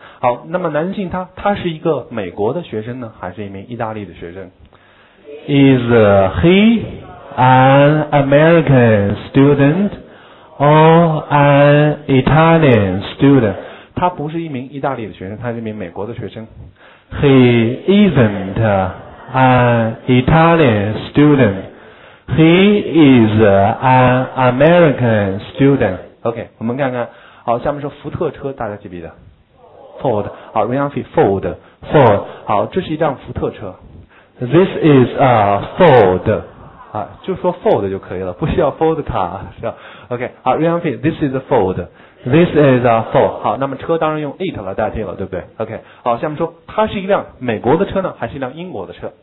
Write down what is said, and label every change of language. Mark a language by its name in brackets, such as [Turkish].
[Chinese] 好，那么男性他是一个美国的学生呢，还是一名意大利的学生 ？ [English] Is he an American student or an Italian student？ [Chinese] 他不是一名意大利的学生，他是一名美国的学生。 [English] He isn't an Italian student. He is an American student. [Chinese] OK， 我们看看，好，下面说福特车，大家记不记得？Ford, 好 ，Renault Ford, Ford, 好，这是一辆福特车。 [English] This is a Ford, [Chinese] 啊，就说 Ford 就可以了，不需要 Ford car 是吧 ？OK, 好 ，Renault, [English] this is a Ford, this is a Ford, [Chinese] 好，那么车当然用 it 来代替了，对不对 ？OK, 好，下面说，它是一辆美国的车呢，还是一辆英国的车？